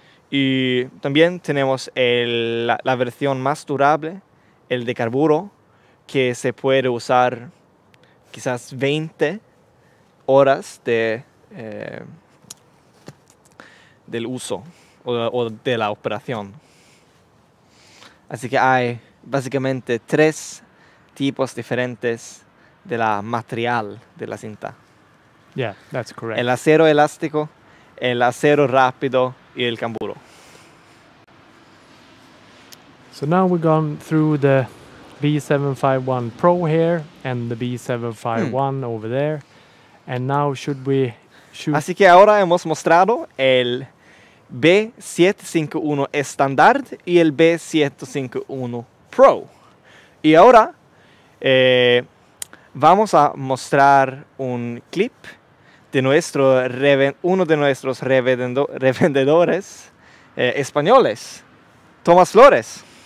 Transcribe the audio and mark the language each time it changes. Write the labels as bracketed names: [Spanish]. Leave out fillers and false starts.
[Spanish] Y también tenemos la versión más durable, el de carburo, que se puede usar quizás 20 horas del uso o de la operación. Así que hay básicamente 3 tipos diferentes de la material de la cinta. [English] Yeah, that's correct. [Spanish] El acero elástico, el acero rápido y el camburo. [English] So now we've gone through the B751 Pro here and the B751 over there. And now should we shoot? [Spanish] Así que ahora hemos mostrado el B751 Standard y el B751 Pro. Y ahora vamos a mostrar un clip de nuestro uno de nuestros revendedores españoles, Tomás Flores.